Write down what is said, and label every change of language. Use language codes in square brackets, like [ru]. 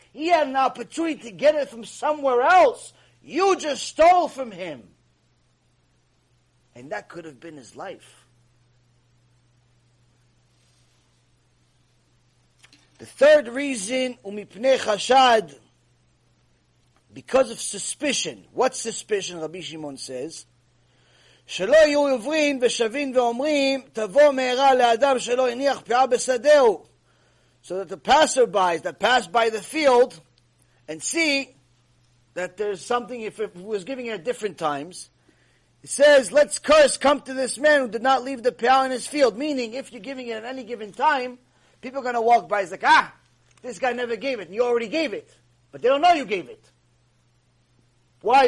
[en] He had an opportunity to get it from somewhere else. You just stole from him. And that could have been his life. The third reason, [he] umipnei chashad, [en] because of suspicion. What suspicion, Rabbi Shimon says, [he] שלא יהיו עוברים ושווים ואומרים תבוא מהרה לאדם שלא הניח פאה בשדהו. [en] So that the passerbys that pass by the field and see that there's something, if it was giving it at different times, it says, let's curse, come to this man who did not leave the pea in his field. Meaning, if you're giving it at any given time, people are going to walk by and say, ah, this guy never gave it, and you already gave it. But they don't know you gave it. Why?